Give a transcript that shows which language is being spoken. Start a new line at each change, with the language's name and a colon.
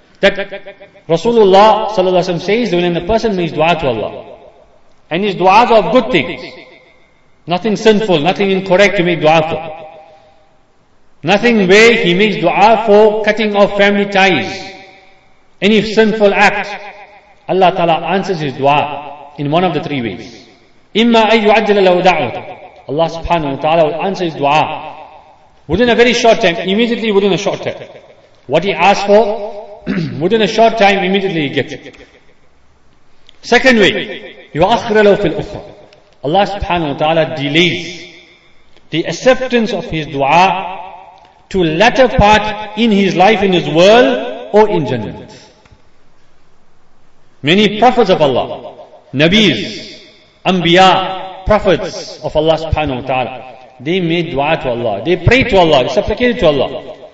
English: That Rasulullah sallallahu alaihi wasallam says that when a person makes dua to Allah, and his du'as are of good things, nothing sinful, nothing incorrect to make dua for, nothing where he makes dua for cutting off family ties, any sinful act, Allah Ta'ala answers his dua in one of the three ways.
Arabic: Imma ay yu'ajjala lahu da'watahu,
English: Allah subhanahu wa ta'ala will answer his dua within a very short time, immediately within a short time. What he asked for, within a short time, immediately you get it. Second way,
Arabic: يُؤَخْرَ لَوْ فِي الْأُخْرَى.
English: Allah subhanahu wa ta'ala delays the acceptance of his dua to latter part in his life, in his world, or in Jannah. Many prophets of Allah, Nabis, Anbiya, prophets of Allah subhanahu wa ta'ala, they made dua to Allah, they prayed to Allah, they supplicated to Allah.